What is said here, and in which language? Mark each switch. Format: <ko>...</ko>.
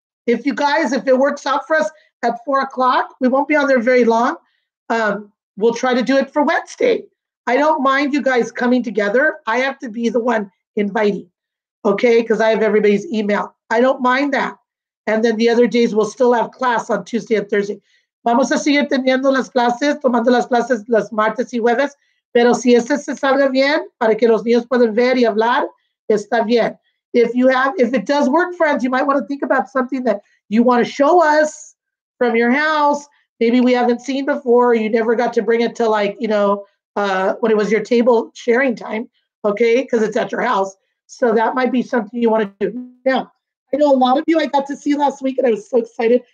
<en>If you guys, if it works out for us, at 4 o'clock, we won't be on there very long. We'll try to do it for Wednesday. I don't mind you guys coming together. I have to be the one inviting, okay? Because I have everybody's email. I don't mind that. And then the other days, we'll still have class on Tuesday and Thursday.</en> <es>Vamos a seguir teniendo las clases, tomando las clases los martes y jueves. Pero si eso se salga bien, para que los niños puedan ver y hablar, está bien.</es> <en>If it does work, friends, you might want to think about something that you want to show us from your house, maybe we haven't seen before, you never got to bring it to like, you know, when it was your table sharing time, okay, because it's at your house. So that might be something you want to do. Now, I know a lot of you I got to see last week and I was so excited.</en>